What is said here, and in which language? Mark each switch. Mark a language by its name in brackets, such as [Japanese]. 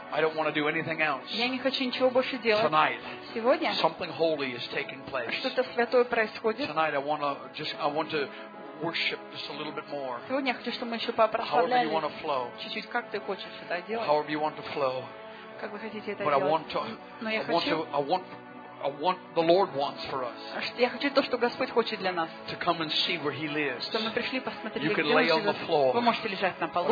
[English] I don't want to do anything else. [Russian] Я не хочу ничего больше делать. [English] Tonight. [Russian] Сегодня. [English] Something holy is taking place. [Russian] Что-то святое происходит. [English] Tonight I want to worship just a little bit more. [Russian] Сегодня я хочу, чтобы мы еще прославляли. [English] However you want to flow. [Russian] Чуть-чуть, как ты хочешь это делать. [English] However you want to flow. [Russian] Как вы хотите это [English] but [Russian] делать. [English] But I want the Lord wants for us. [Russian] Я хочу то, что Господь хочет для нас. [English] To come and see where He lives. [Russian] Чтобы мы пришли посмотреть, [English] you can lay on the floor. [Russian] Вы можете лежать на полу.